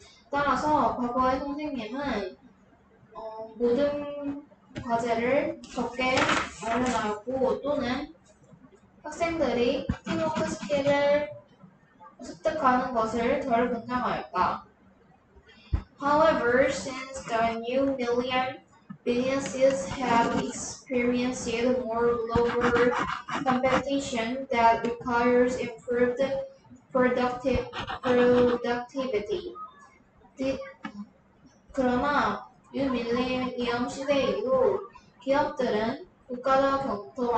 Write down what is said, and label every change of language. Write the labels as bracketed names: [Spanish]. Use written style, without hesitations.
[Korean] 따라서 과거의 선생님은 모든 과제를 적게 알려놨고 또는 학생들이 팀워크 스킬을 습득하는 것을 덜 권장하였다. [English] However, since the new millennium, businesses have experienced more global competition that requires improved productivity. [Korean] 그러나 뉴 밀레니엄 시대 이후 기업들은 국가적